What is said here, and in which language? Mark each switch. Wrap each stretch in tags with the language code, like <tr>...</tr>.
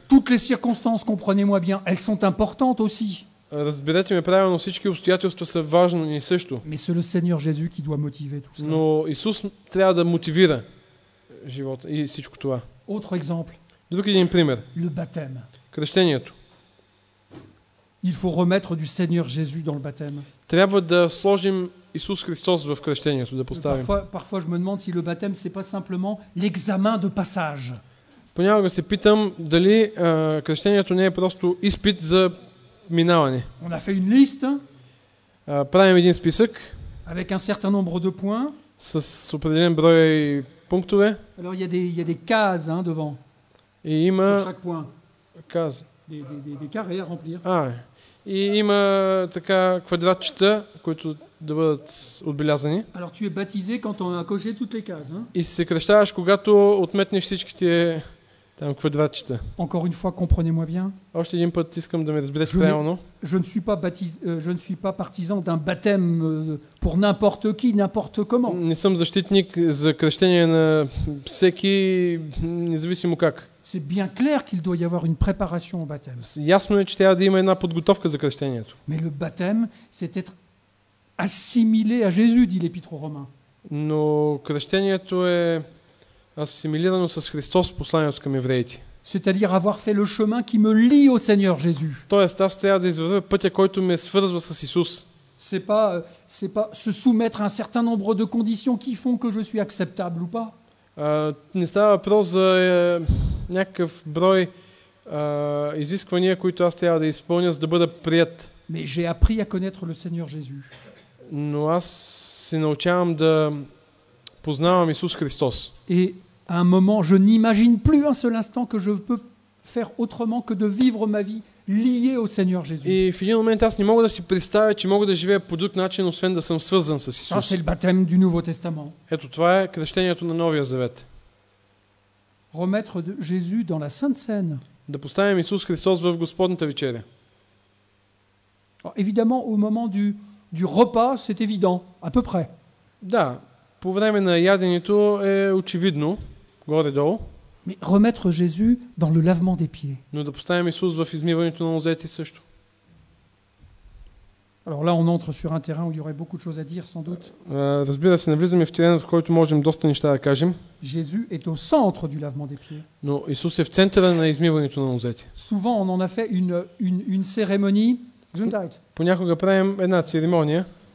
<fr>Toutes les circonstances, comprenez-moi bien, elles sont importantes aussi.</fr> <bg>Разберете ме правилно, всички обстоятелства са важни също.</bg> <fr>Mais c'est le Seigneur Jésus qui doit motiver tout ça.</fr> <bg>Но Исус трябва да мотивира живота и всичко това.</bg> <fr>Autre exemple.</fr> <bg>Друг един пример.</bg> <fr>Le baptême.</fr> <bg>Кръщението.</bg> <fr>Il faut remettre du Seigneur Jésus dans le baptême.</fr> <bg>Трябва да сложим Исус Христос в кръщението, да поставим.</bg> <fr>Parfois je me demande si le baptême c'est pas simplement l'examen de passage.</fr> <bg>Понякога се питам дали кръщението не е просто изпит за минаване.</bg> <fr>On a fait une liste.</fr> <bg>Правим един списък.</bg> <fr>Avec un certain nombre de points.</fr> <bg>С определен брой пунктове.</bg> <fr>Alors il y a des cases, hein, devant. Et il y a chaque point. Cases. Des carrés à remplir. Ah.</fr> <bg>И има така квадратчета, които да бъдат отбелязани.</bg> <fr>Alors tu es baptisé quand on a coché toutes les cases, hein?</fr> <bg>И се кръщаваш, когато отметнеш всичките там квадратчета.</bg> <fr>Encore une fois, comprenez-moi bien.</fr> <bg>Още един път искам да ме разбереш правилно.</bg> <fr>Je ne suis pas partisan d'un baptême pour n'importe qui, n'importe comment.</fr> <bg>Не съм защитник за кръщение на всеки, независимо как.</bg> <fr>C'est bien clair qu'il doit y avoir une préparation au baptême.</fr> <bg>Ясно е, че трябва да има една подготовка за кръщението.</bg> <fr>Mais le baptême, c'est être assimilé à Jésus, dit l'épître aux Romains.</fr> <bg>Но кръщението е асимилирано с Христос в посланието към евреите.</bg> <fr>C'est-à-dire avoir fait le chemin qui me lie au Seigneur Jésus.</fr> <bg>Тоест, аз трябва да извървя пътя, който ме свързва с Исус.</bg> <fr>C'est pas se soumettre à un certain nombre de conditions qui font que je suis acceptable ou pas.</fr> <bg>Не става въпрос за някакъв брой изисквания, които аз трябва да изпълня, за да бъда прият.</bg> <fr>Mais j'ai appris à connaître le Seigneur Jésus.</fr> <bg>Но аз се научавам да познавам Исус Христос.</bg> <fr>Et à un moment, je n'imagine plus un seul instant que je peux faire autrement que de vivre ma vie liée au Seigneur Jésus.</fr> <bg>Et в един момент аз не мога да си представя, че мога да живея по друг начин, освен да съм свързан с Исус.</bg> <fr>Ça, c'est le baptême du Nouveau Testament.</fr> <bg>Ето това е кръщението на Новия Завет.</bg> <fr>Remettre Jésus dans la Sainte Cène.</fr> <bg>Да поставим Исус Христос в Господната вечеря.</bg> <fr>Évidemment, au moment du repas, c'est évident, à peu près.</fr> <bg>Да. По време на яденето е очевидно, горе-долу.</bg> <fr>Mais remettre Jésus dans le lavement des pieds.</fr> <bg>Но да поставим Исус в измиването на нозете също.</bg> <fr>Alors là on entre sur un terrain où il y aurait beaucoup de choses à dire sans doute.</fr> <bg>Разбира се, навлизаме в терен, в който можем доста неща да кажем.</bg> <fr>Jésus est au centre du lavement des pieds.</fr> <bg>Но Исус е в центъра на измиването на нозете.</bg> <fr>Souvent on en a fait une cérémonie.</fr> <bg>Понякога правим една церемония.</bg>